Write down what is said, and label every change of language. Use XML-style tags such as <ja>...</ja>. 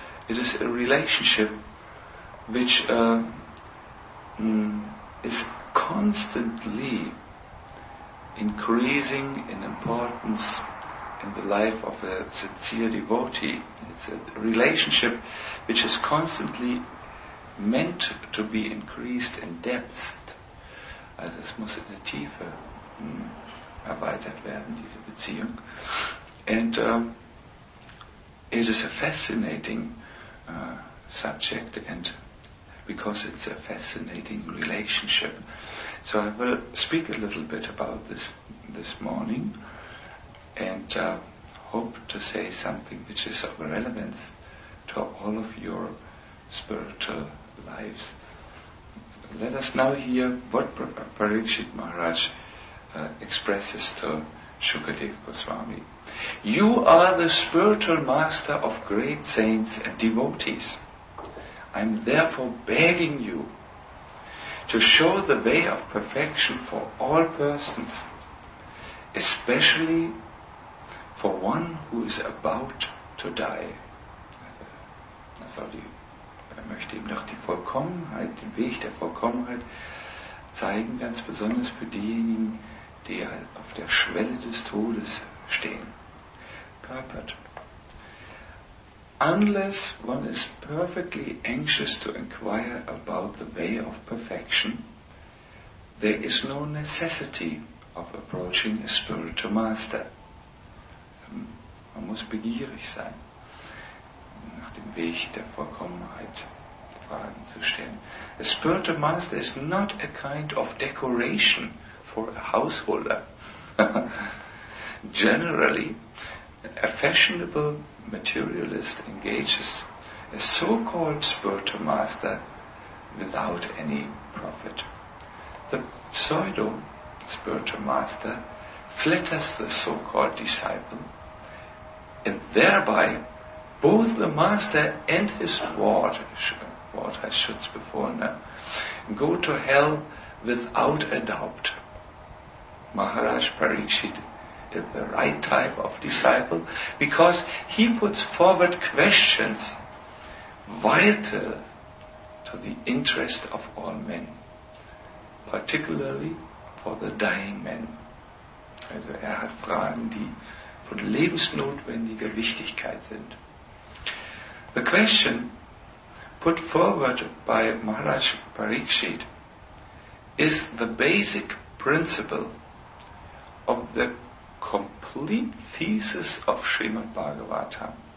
<en>It is a relationship which is constantly increasing in importance in the life of a sincere devotee. It's a relationship which is constantly meant to be increased in depth.</en> <de>Also es muss in der Tiefe erweitert werden, diese Beziehung.</de> <en>And it is a fascinating subject, and because it's a fascinating relationship. So I will speak a little bit about this morning, and hope to say something which is of relevance to all of your spiritual lives. Let us now hear what Parikshit Maharaj expresses to Shukadev Goswami. You are the spiritual master of great saints and devotees. I am therefore begging you to show the way of perfection for all persons, especially for one who is about to die.</en> <de>Also, er möchte ihm doch die Vollkommenheit, den Weg der Vollkommenheit zeigen, ganz besonders für diejenigen, die auf der Schwelle des Todes stehen.</de> <en>Purport. Unless one is perfectly anxious to inquire about the way of perfection, there is no necessity of approaching a spiritual master.</en> <de>Man muss begierig sein, nach dem Weg der Vollkommenheit Fragen zu stellen.</de> <en>A spiritual master is not a kind of decoration for a householder. Generally, a fashionable materialist engages a so-called spiritual master without any profit. The pseudo spiritual master flatters the so-called disciple, and thereby both the master and his ward, I should say before now, go to hell without a doubt. Maharaj Parikshit is the right type of disciple because he puts forward questions vital to the interest of all men, particularly for the dying men.</en> <de>Also hat Fragen, die von lebensnotwendiger Wichtigkeit sind.</de> <en>The question put forward by Maharaj Parikshit is the basic principle of the complete thesis of Srimad Bhagavatam.</en>